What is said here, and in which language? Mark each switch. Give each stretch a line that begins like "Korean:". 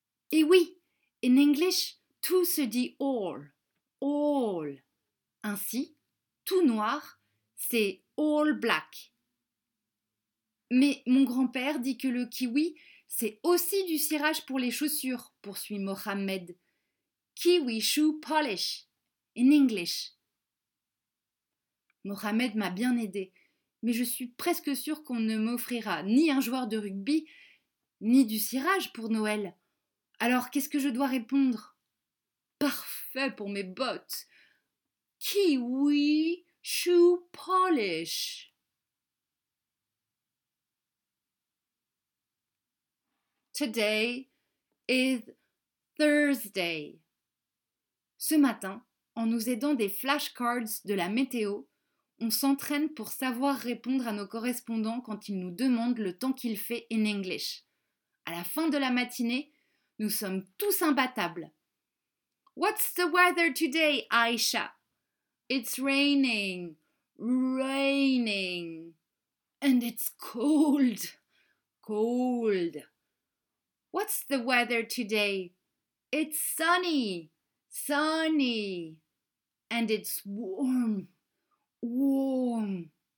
French: Et oui,
English: in English,
French: tout se dit all. All. Ainsi, tout noir, c'est all black. Mais mon grand-père dit que le kiwi, c'est aussi du cirage pour les chaussures, poursuit Mohamed.
English: Kiwi shoe polish, in English.
French: Mohamed m'a bien aidé, mais je suis presque sûre qu'on ne m'offrira ni un joueur de rugby, ni du cirage pour Noël. Alors, qu'est-ce que je dois répondre? Parfait pour mes bottes.
English: Kiwi shoe polish. Today is Thursday.
French: Ce matin, en nous aidant des flashcards de la météo, on s'entraîne pour savoir répondre à nos correspondants quand ils nous demandent le temps qu'il fait
English: in English.
French: À la fin de la matinée, nous sommes tous imbattables.
English: What's the weather today, Aisha? It's raining, raining, and it's cold, cold. What's the weather today? It's sunny, sunny, and it's warm, warm.